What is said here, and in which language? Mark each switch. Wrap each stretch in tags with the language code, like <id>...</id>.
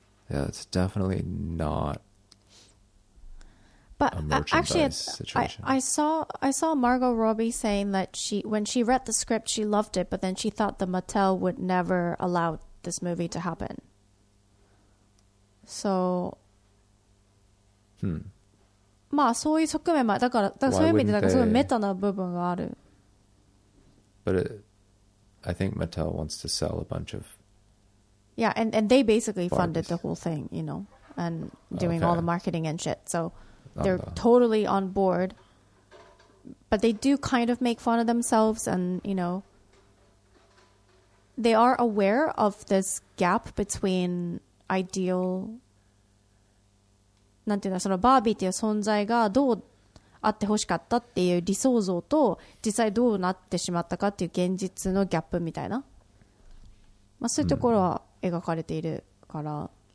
<en>Yeah, it's definitely not but a merchandise situation. I saw Margot Robbie saying that when she read the script, she loved it, but then she thought that Mattel would never allow this movie to happen. So...</en> <ja>まあそういう側面もだからそういう意味でなんかすごいメタな部分がある。</ja> <en>But I think Mattel wants to sell a bunch of. Yeah, and they basically funded the whole thing, you know, and doing all the marketing and shit. So they're totally on board. But they do kind of make fun of themselves, and you know, they are aware of this gap between ideal.</en> <ja>なんていうの、そのバービーっていう存在がどうあってほしかったっていう理想像と実際どうなってしまったかっていう現実のギャップみたいな、まあ、そういうところは描かれているから、</ja>